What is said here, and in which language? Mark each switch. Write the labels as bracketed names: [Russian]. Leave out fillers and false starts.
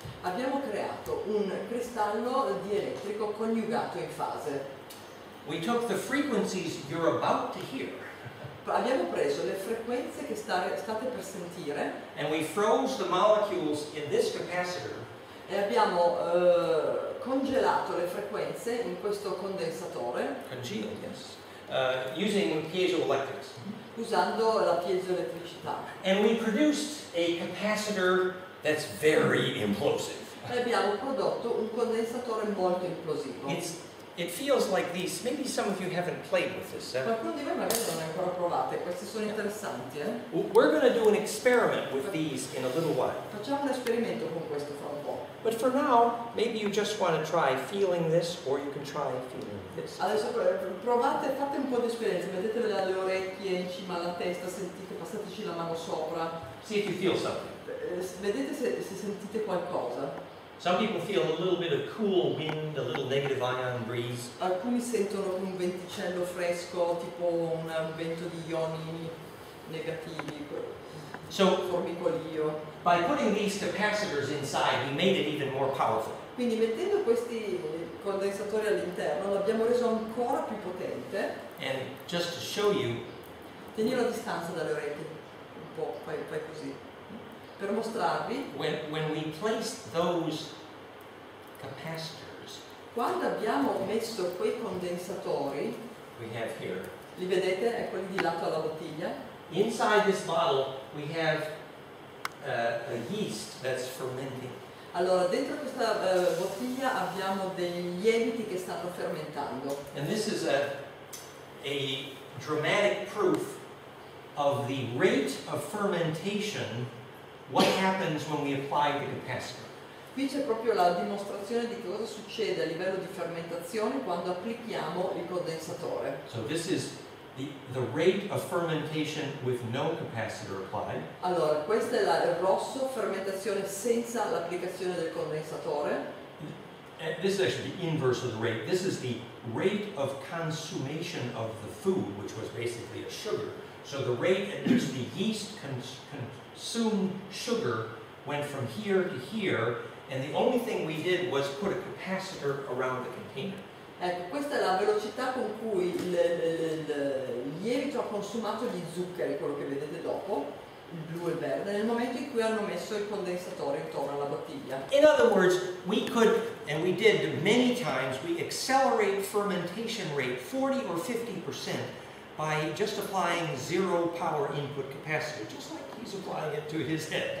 [Italian] Abbiamo creato un cristallo dielettrico coniugato in fase. [English] We took the frequencies you're about to hear. [Italian] Abbiamo preso le frequenze che state per sentire. [English] And we froze the molecules in this capacitor. [Italian] E abbiamo congelato le frequenze in questo condensatore. [English] Congealed, yes. Using piezoelectrics. [Italian] Usando la piezoelettricità. [English] And we produced a capacitor that's very implosive. [Italian] E abbiamo prodotto un condensatore molto implosivo. [English] It feels like these. Maybe some of you haven't played with this. [Italian] Qualcuno di voi magari non ha ancora provato. Queste sono interessanti, eh? [English] We're going to do an experiment with these in a little while. [Italian] Facciamo un esperimento con questo fra un po'. [English] But for now, maybe you just want to try feeling this, or you can try feeling this. [Italian] Adesso provate, fate un po' di esperienza. Mettetele alle orecchie in cima alla testa. Sentite, passateci la mano sopra. [English] See if you feel something. [Italian] Vedete se sentite qualcosa. [English] Some people feel a little bit of cool wind, a little negative ion breeze. [Italian] Alcuni sentono un venticello fresco, tipo un vento di ioni negativi. [English] So, formicolio. By putting these capacitors inside, we made it even more powerful. [Italian] Quindi mettendo questi condensatori all'interno, l'abbiamo reso ancora più potente. [English] And just to show you, [Italian] tieni la distanza dalle orecchie, un po', fai così. Per mostrarvi, [English] when we placed those capacitors, [Italian] quando abbiamo messo quei condensatori, [English] we have here, [Italian] li vedete, è quelli di lato alla bottiglia. [English] Inside this bottle, we have a yeast that's fermenting. [Italian] Allora, dentro questa bottiglia abbiamo dei lieviti che stanno fermentando. [English] And this is a dramatic proof of the rate of fermentation. What happens when we apply the capacitor? [Italian] Qui c'è proprio la dimostrazione di cosa succede a livello di fermentazione quando applichiamo il condensatore. [English] So this is the rate of fermentation with no capacitor applied. [Italian] Allora, questa è il rosso, fermentazione senza l'applicazione del condensatore. [English] This is actually the inverse of the rate. This is the rate of consummation of the food, which was basically a sugar. So the rate at which the yeast consumed sugar went from here to here, and the only thing we did was put a capacitor around the container. [Italian] Ecco, questa è la velocità con cui il lievito ha consumato gli zuccheri, quello che vedete dopo, il blu e il verde, nel momento in cui hanno messo il condensatore intorno alla bottiglia. [English] In other words, we could, and we did many times, we accelerate fermentation rate 40 or 50% by just applying zero power input capacitor, just like he's applying it to his head.